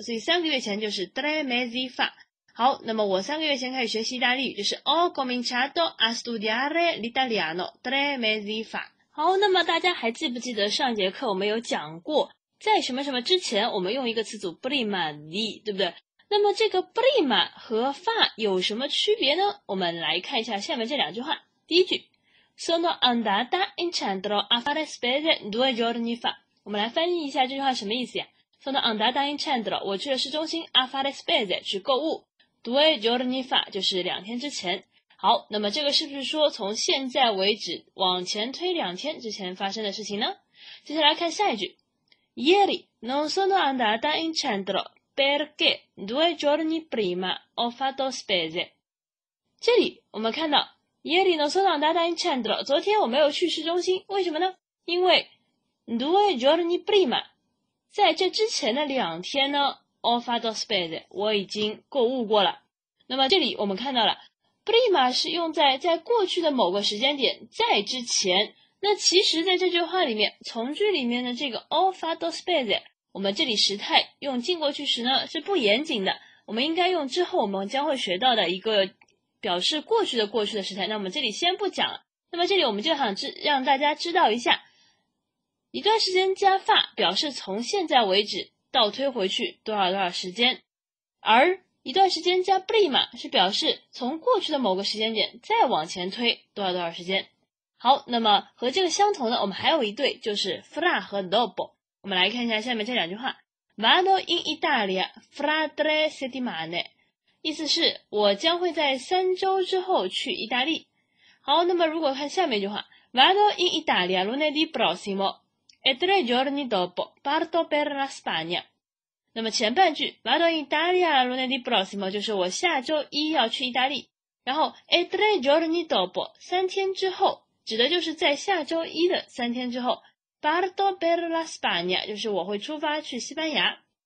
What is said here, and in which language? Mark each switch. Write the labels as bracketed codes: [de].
[zh] 所以3个月前就是 [it] tre mesi fa。 [zh] 好，那么我3个月前开始学习意大利语就是 [it] ho cominciato a studiare l'italiano tre mesi fa。 [zh] 好，那么大家还记不记得上节课我们有讲过，在什么什么之前我们用一个词组 [it] prima di, [zh] 对不对？那么这个 prima 和发有什么区别呢？我们来看一下下面这两句话。第一句， [it] Sono andata in centro a fare spese 2 giorni fa。 [zh] 我们来翻译一下这句话什么意思呀？ [it] Sono andata in centro, [zh] 我去了市中心 [it] a fare spese, [zh] 去购物。 [it] 2 giorni fa, [zh] 就是2天之前。好，那么这个是不是说从现在为止往前推2天之前发生的事情呢？接下来看下一句。 [it] Ieri non sono andata in centro perché due giorni prima ho fatto spese. [zh] 这里我们看到 [it] Ieri non sono andata in centro. [zh] 昨天我没有去市中心，为什么呢？因为 [it] due giorni prima， [zh] 在这之前的两天呢 ， [it] ho fatto spese， [zh] 我已经购物过了。那么这里我们看到了 prima 是用在过去的某个时间点，在之前。那其实在这句话里面，从句里面的这个 [it] ho fatto spese， [zh] 我们这里时态用进过去时呢是不严谨的，我们应该用之后我们将会学到的一个表示过去的时态。那我们这里先不讲了。那么这里我们就想让大家知道一下，一段时间加发表示从现在为止倒推回去多少多少时间，而一段时间加 prima 是表示从过去的某个时间点再往前推多少多少时间。好，那么和这个相同的我们还有一对，就是 fra 和 dopo。我们来看一下下面这两句话。 [it] Vado in Italia fra tre settimane， [zh] 意思是我将会在三周之后去意大利。好，那么如果看下面一句话， [it] Vado in Italia lunedì prossimo e tre giorni dopo parto per la Spagna。 [zh] 那么前半句 [it] Vado in Italia lunedì prossimo [zh] 就是我下周一要去意大利，然后 [it] e tre giorni dopo [zh] 三天之后指的就是在下周一的三天之后， [it] parto per la Spagna [zh] 就是我会出发去西班牙。